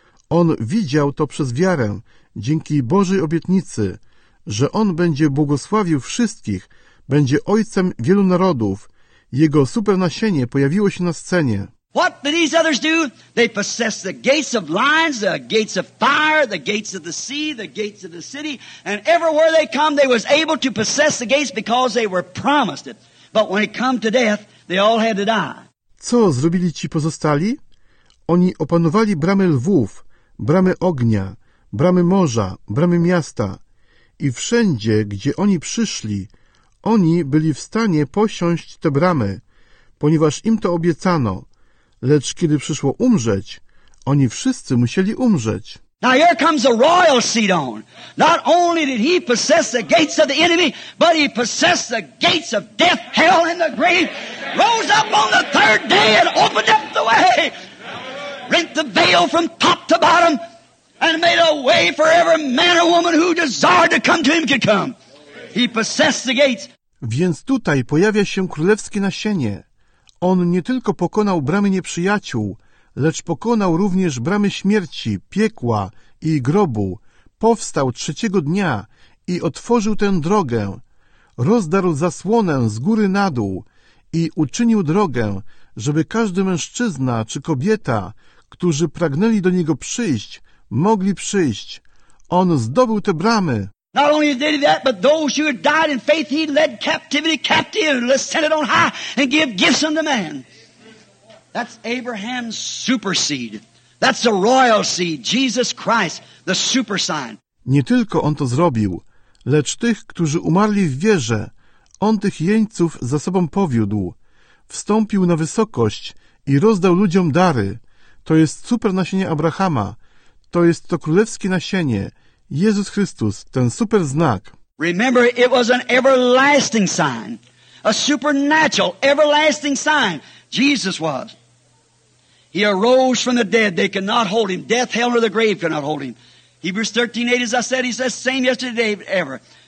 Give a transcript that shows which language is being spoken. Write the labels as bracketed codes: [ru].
[pl] On widział to przez wiarę, dzięki Bożej obietnicy, że on będzie błogosławił wszystkich, będzie ojcem wielu narodów. Jego super nasienie pojawiło się na scenie. [en] What did these others do? They possessed the gates of lions, the gates of fire, the gates of the sea, the gates of the city, and everywhere they come, they was able to possess the gates because they were promised it. But when it come to death, they all had to die. [pl] Co zrobili ci pozostali? Oni opanowali bramy lwów, bramy ognia, bramy morza, bramy miasta. I wszędzie, gdzie oni przyszli, oni byli w stanie posiąść te bramy, ponieważ im to obiecano. Lecz kiedy przyszło umrzeć, oni wszyscy musieli umrzeć. [en] Now here comes the royal seed on. Not only did he possess the gates of the enemy, but he possessed the gates of death, hell and the grave. Rose up on the third day and opened up the way. Rent the veil from top to bottom and made a way for every man or woman who desired to come to him could come. He possessed the gates. [pl] Więc tutaj pojawia się królewskie nasienie. On nie tylko pokonał bramy nieprzyjaciół, lecz pokonał również bramy śmierci, piekła i grobu. Powstał trzeciego dnia i otworzył tę drogę. Rozdarł zasłonę z góry na dół i uczynił drogę, żeby każdy mężczyzna czy kobieta, którzy pragnęli do niego przyjść, mogli przyjść. On zdobył te bramy. [en] Not only did he that, but those who had died in faith, he led captivity captive and set it on high and give gifts unto man. That's Abraham's super seed. That's the royal seed, Jesus Christ, the super sign. [pl] Nie tylko on to zrobił, lecz tych, którzy umarli w wierze, on tych jeńców za sobą powiódł. Wstąpił na wysokość i rozdał ludziom dary. To jest super nasienie Abrahama. To jest to królewskie nasienie. Jezus Chrystus, ten super znak. [en] Remember, it was an everlasting sign. A supernatural, everlasting sign. Jesus was. He arose from the dead. They could not hold him. Death, hell, or the grave could not hold him. Hebrews 13:8, as I said, he says, same yesterday, but ever.